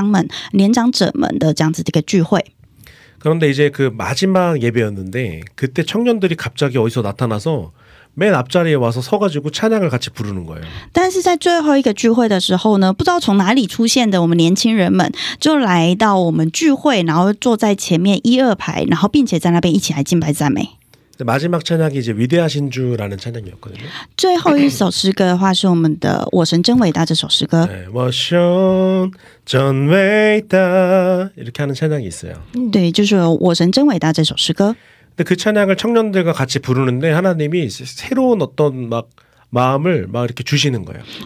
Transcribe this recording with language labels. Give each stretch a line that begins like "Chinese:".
Chinese: 所以那时候我们所举办的聚会呢，大部分都是针对我们的牧会者，然后就是我们牧师传道们，或者是说针对那些年长们、年长者们的这样子的一个聚会。
Korean: 그런데 이제 그 마지막 예배였는데 그때 청년들이 갑자기 어디서 나타나서 맨 앞자리에 와서 서가지고 찬양을 같이 부르는 거예요.
Chinese: 但是在最后一个聚会的时候呢，不知道从哪里出现的我们年轻人们就来到我们聚会，然后坐在前面一二排，然后并且在那边一起来敬拜赞美。
Korean: 마지막 찬양이 이제 위대하신 주라는 찬양이었거든요.
Chinese: 最后一首诗歌的话是我们的《我神真伟大》这首诗歌。
Korean: 我神 전伟大 이렇게 하는 찬양이 있어요.
Chinese: 对，就是《我神真伟大》这首诗歌。
Korean: 그 찬양을 청년들과 같이 부르는데 하나님이 새로운 어떤 막 마음을 막 이렇게 주시는 거예요.